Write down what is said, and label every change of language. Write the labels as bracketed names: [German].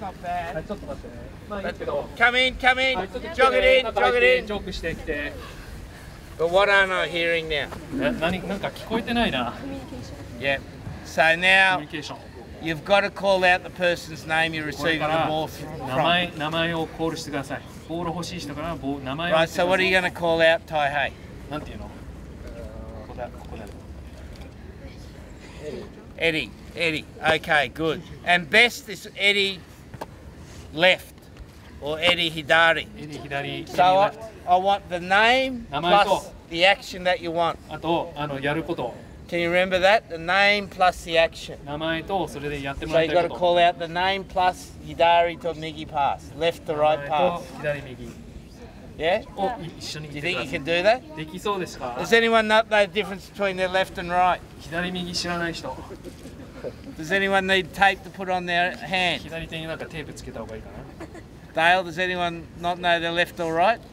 [English] not bad. Come in, jog it in. Jog it in. What am I hearing now? Yep. So now, you've got to call out the person's name you're receiving the ball from. [Japanese] 名前をコールしてください。ボール欲しい人から名前を。 [English] Right, so what are you going to call out, Taihei? [Japanese] なんていうの？ここだ、ここだ。 [English] Eddie, okay, good. And best is Eddie left or Eddie Hidari. Eddie Hidari, so Eddie left. So I want the name plus the action that you want. [Japanese] あと、あの、やること。 [English] Can you remember that? The name plus the action. [Japanese] 名前とそれでやってもら [English] いたいこと。So you got to call out the name plus [Japanese] Hidari to Migi [English] pass, left to right pass. 名 [Japanese] 前と左右。 [English] Yeah? Oh, yeah. Do you think you can do that? [Japanese] できそうですか? [English] Does anyone not know the difference between their left and right? [Japanese] 左右知らない人。 [English] Does anyone need tape to put on their hand? [Japanese] 左手になんかテープつけた方がいいかな? [English] Dale, does anyone not know their left or right?